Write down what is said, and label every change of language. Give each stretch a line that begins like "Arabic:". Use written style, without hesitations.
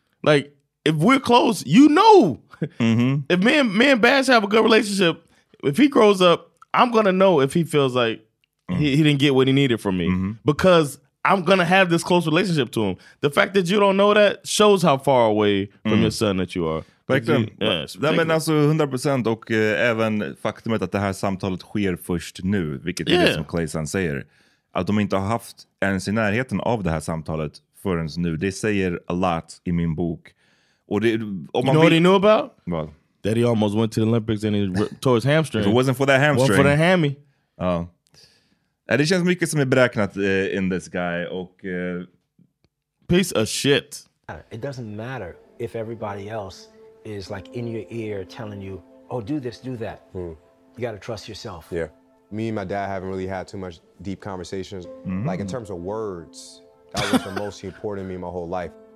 English: Like, if we're close, you know. Mm-hmm. If me and Bash have a good relationship, if he grows up, I'm going to know if he feels like he didn't get what he needed from me. Mm-hmm. Because I'm going to have this close relationship to him. The fact that you don't know that shows how far away from your son that you are.
Swedish: Verkligen. Men alltså 100% och även faktumet att det här samtalet sker först nu, vilket är det som Clayson säger. Att de inte har haft ens i närheten av det här samtalet förrän nu. Det säger
English: a lot
Swedish: i min bok. Och det,
English: om you man know what he knew about? What? That he almost went to the Olympics and he tore his hamstring. If it wasn't for that hamstring. Well, for the hammy.
Swedish: Ja. Det känns mycket som är beräknat
English: in this guy.
Swedish: Och,
English: piece of shit. It doesn't matter if everybody else is like in your ear telling you, oh, do this, do that. Mm. You got to trust yourself. Yeah. Me and my dad haven't really had too much deep conversations. Mm-hmm. Like in terms of words, that was the most important to me my whole life.